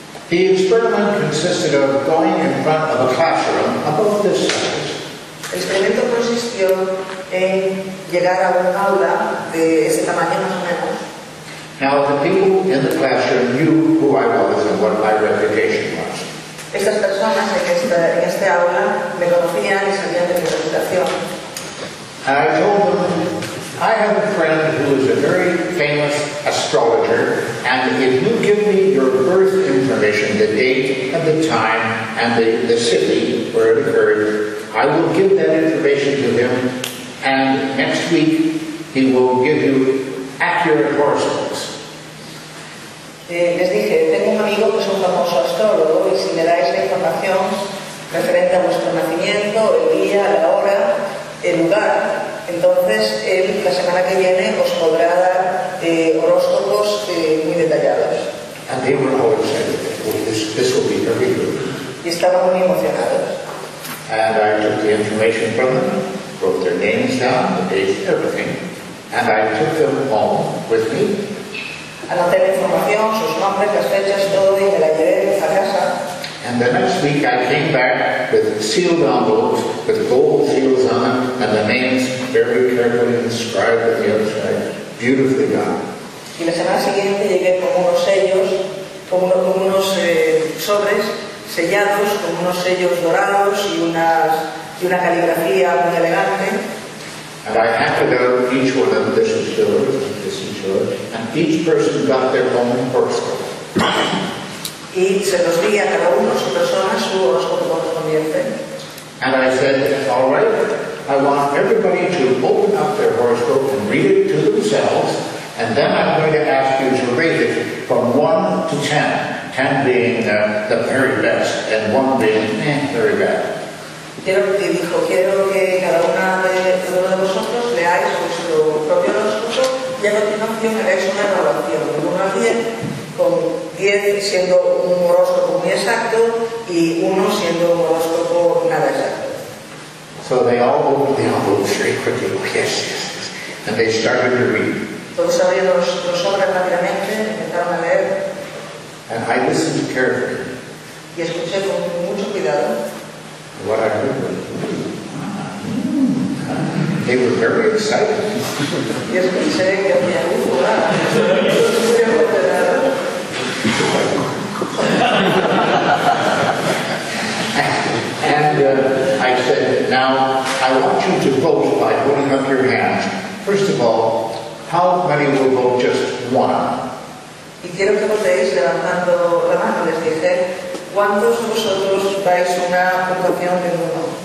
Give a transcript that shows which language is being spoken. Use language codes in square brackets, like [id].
[en] The experiment consisted of going in front of a classroom about this size. [es] El experimento consistió en llegar a un aula de ese tamaño más o menos. [en] Now the people in the classroom knew who I was and what my reputation was. [es] Estas personas en este aula me conocían y sabían de mi reputación. [en] I told them, I have a friend who is a very famous astrologer, and if you give me your birth information, the date and the time and the city where it occurred, I will give that information to him, and next week he will give you accurate horoscopes. [es] Les dije, tengo un amigo que es un famoso astrólogo, y si me dais la información referente a vuestro nacimiento, el día, la hora, el lugar, entonces él la semana que viene os podrá dar horóscopos muy detallados. [en] And they were all excited. Well, this will be very good. [es] Y estaban muy emocionados. [en] And I took the information from them, wrote their names down, the dates, everything, and I took them home with me. [es] Anoté la información, sus nombres, las fechas, todo, y me la llevé a casa. [en] And the next week I came back with sealed envelopes, with gold seals on them, and the names very carefully inscribed on the outside, beautifully done. [es] Y la semana siguiente llegué con unos sellos, con unos sobres, sellados con unos sellos dorados y una caligrafía muy elegante. [en] And I handed out each one of them, this is yours, this is yours, and each person got their own horoscope. [es] Y se los di a cada uno, su persona, su horoscope correspondiente. [en] And I said, all right, I want everybody to open up their horoscope and read it to themselves, and then I'm going to ask you to rate it from 1 to 10. 10 being the very best, and 1 being very bad. [es] Y dijo, quiero que cada una de vosotros leáis vuestro propio horóscopo y a continuación haréis una evaluación, 1 a 10, con 10 siendo un horóscopo muy exacto y 1 siendo un horóscopo nada exacto. [en] So they all opened the envelopes very quickly, oh, yes, yes, yes, and they started to read. [es] Todos abrieron los sobres rápidamente, empezaron a leer. [en] And I listened carefully. [es] Y escuché con mucho cuidado. [en] What I heard was, they were very excited. Yes, we say, yeah, I said, now, I want you to vote by putting up your hand. First of all, how many will vote just one? [es] Y quiero que votéis levantando la mano, les dije, ¿cuántos de vosotros vais a una votación de uno?